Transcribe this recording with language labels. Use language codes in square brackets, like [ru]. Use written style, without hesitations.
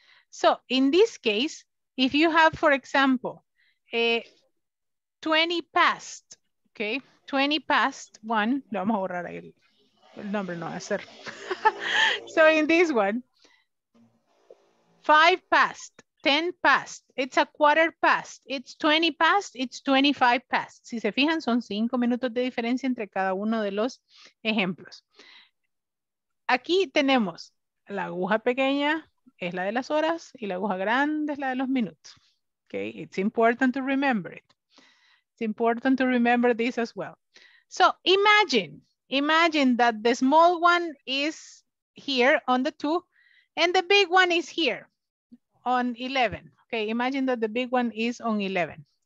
[en] So in this case, if you have, for example, a 20 past, okay, 20 past one, [es] lo vamos a borrar el nombre, no va a ser. [en] So in this one, 5 past, 10 past, it's a 15 past, it's 20 past, it's 25 past. [es] Si se fijan, son 5 minutos de diferencia entre cada uno de los ejemplos. Aquí tenemos la aguja pequeña, es la de las horas, y la aguja grande es la de los minutos. [en] Okay, it's important to remember it. It's important to remember this as well. So imagine that the small one is here on the 2 and the big one is here on 11. Okay, imagine that the big one is on 11.